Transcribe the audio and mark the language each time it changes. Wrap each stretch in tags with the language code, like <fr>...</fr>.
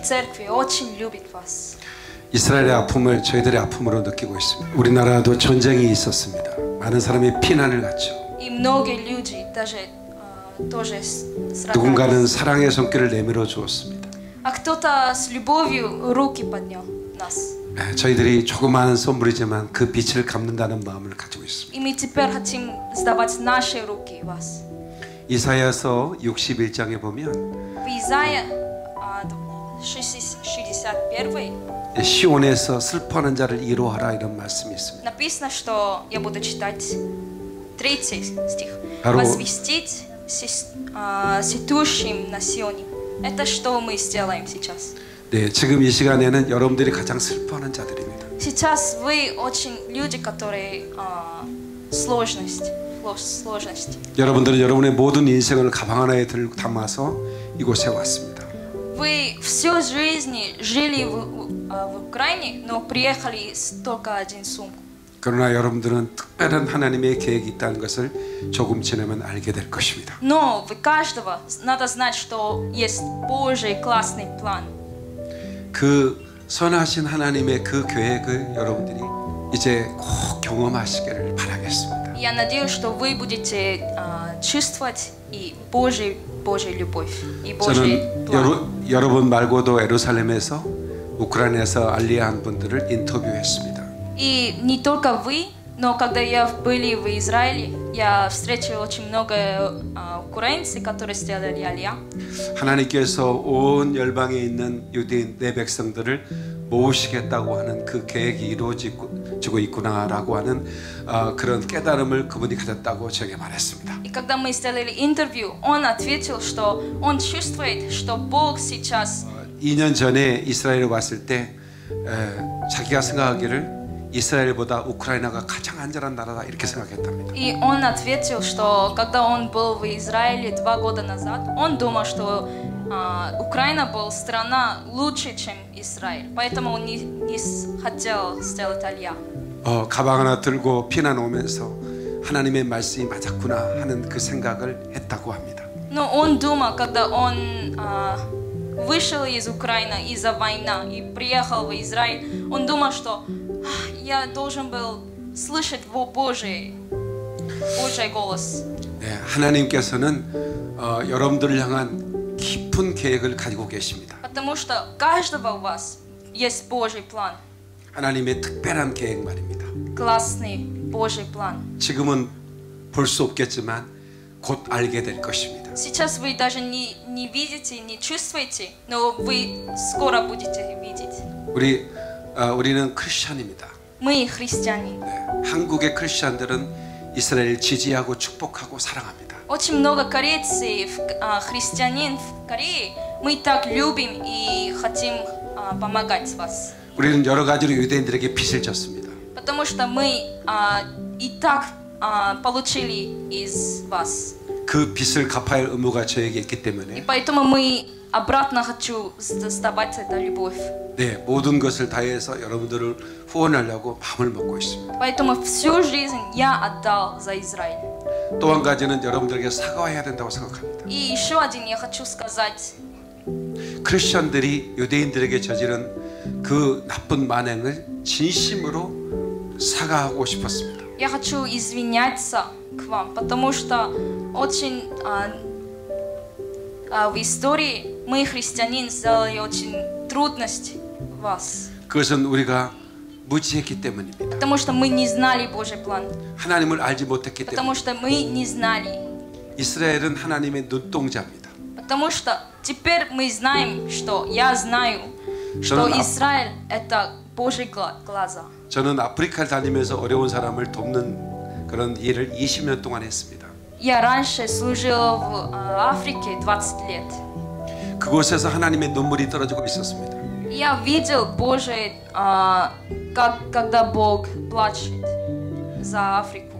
<ru>церковь очень любит вас.</ru> <ko>이스라엘의 아픔을 저희들의 아픔으로 느끼고 있습니다. 우리나라도 전쟁이 있었습니다. 많은 사람이 피난을 갔죠.</ko> <ru>И многие люди даже тоже страдали.</ru> <ko>누군가는 사랑의 손길을 내밀어 주었습니다.</ko> <ru>А кто-то с любовью руки поднял нас.</ru> <ko>네, 저희들이 조그마한 손불이지만 그 빛을 감는다는 마음을 가지고 있습니다.</ko> <ru>И мы теперь хотим сдавать наши руки вас.</ru> <ko>이사야서 61장에 보면 이사야 61. 시온에서 슬퍼하는 자를 위로하라 이런 말씀이 있습니다.</ko> <ru>Написано, что я буду читать 3 стих. Возвестить сетущим на Сионе. Это что мы сделаем сейчас?</ru> <ko>네, 지금 이 시간에는 여러분들이 가장 슬퍼하는 자들입니다.</ko> <ru>Сейчас вы очень люди, которые сложность.</ru> <ko>여러분들은 여러분의 모든 인생을 가방 안에 담아서 이곳에 왔습니다.</ko> <ru>Вы всю жизнь жили в Украине, но приехали с только один сумку.</ru> <ko>그러나 여러분들은 특별한 하나님의 계획이 있다는 것을 조금 지나면 알게 될 것입니다.</ko> <ru>Но вы каждого надо знать, что есть Божий классный план.</ru> <ko>그 선하신 하나님의 그 계획을 여러분들이 이제 꼭 경험하시기를 바라겠습니다.</ko> <ru>Я надеюсь, что вы будете чувствовать и Божий любовь и Божий план.</ru> <ko>저는 여러분 말고도 예루살렘에서 우크라이나에서 알리한 분들을 인터뷰했습니다.</ko> <ru>И не только вы, но когда я были в Израиле, я встретил очень много украинцев, которые сделали алия.</ru> <ko>하나님께서 온 열방에 있는 유대인 내 백성들을 모으시겠다고 하는 그 계획이 이루어지고 있구나라고 하는 그런 깨달음을 그분이 가졌다고 저에게 말했습니다.</ko> <ru>И когда мы сделали интервью, он ответил, что он чувствует, что Бог сейчас.</ru> <ko>2년 전에 이스라엘에 왔을 때 자기가 생각하기를 이스라엘보다 우크라이나가 가장 안전한 나라다 이렇게 생각했답니다.</ko> <ru>И он ответил, что когда он был в Израиле 2 года назад, он думал, что Украина была страна лучше, чем Израиль. Поэтому он не хотел сделать алия.</ru> <ko>가방 하나 들고 피난 오면서 하나님의 말씀이 맞았구나 하는 그 생각을 했다고 합니다.</ko> <ru>Но он думал, когда он вышел из Украины из-за войны и приехал в Израиль, он думал, что я должен был слышать Божий голос.</ru> <ko>네, 하나님께서는 여러분들을 향한 깊은 계획을 가지고 계십니다.</ko> <ru>Потому что каждого у вас есть Божий план.</ru> <ko>하나님의 특별한 계획 말입니다.</ko> <ru>Классный Божий план.</ru> <ko>지금은 볼 수 없겠지만 곧 알게 될 것입니다.</ko> <ru>Сейчас вы даже не видите, не чувствуете, но вы скоро будете видеть.</ru> <ko>우리는 크리스천입니다.</ko> <ru>Мы христиане.</ru> <ko>네, 한국의 크리스천들은 이스라엘 지지하고 축복하고 사랑합니다.</ko> <ru>Очень много корейцев, христианин в Корее. Мы так любим и хотим помогать вас.</ru> <ko>우리는 여러 가지로 유대인들에게 빚을 졌습니다.</ko> <ru>Потому что мы и так получили из вас.</ru> <ko>그 빚을 갚아야 할 의무가 저에게 있기 때문에.</ko> <ru>И поэтому мы обратно хочу сдавать эту любовь.</ru> <ko>네, 모든 것을 다해서 여러분들을 후원하려고 마음을 먹고 있습니다.</ko> <ru>Поэтому всю жизнь я отдал за Израиль.</ru> <ko>또 한 가지는 여러분들에게 사과해야 된다고 생각합니다.</ko> <ru>И еще один я хочу сказать.</ru> <ko>크리스천들이 유대인들에게 저지른 그 나쁜 만행을 진심으로 사과하고 싶었습니다.</ko> <ru>Я хочу извиняться к вам, потому что очень в истории мы христиане сделали очень трудность вас. Потому что мы не знали Божий план. Потому что мы не знали.</ru> <ko>이스라엘은 하나님의 눈동자입니다.</ko> <ru>Потому что теперь мы знаем, что я знаю, что Израиль это Божий глаза.</ru> <ko>저는 아프리카를 다니면서 어려운 사람을 돕는 그런 일을 20년 동안 했습니다.</ko> <ru>Я раньше служил в Африке 20 лет.</ru> <ko>그곳에서 하나님의 눈물이 떨어지고 있었습니다.</ko> <ru>Я видел Божий, как когда Бог плачет за Африку.</ru>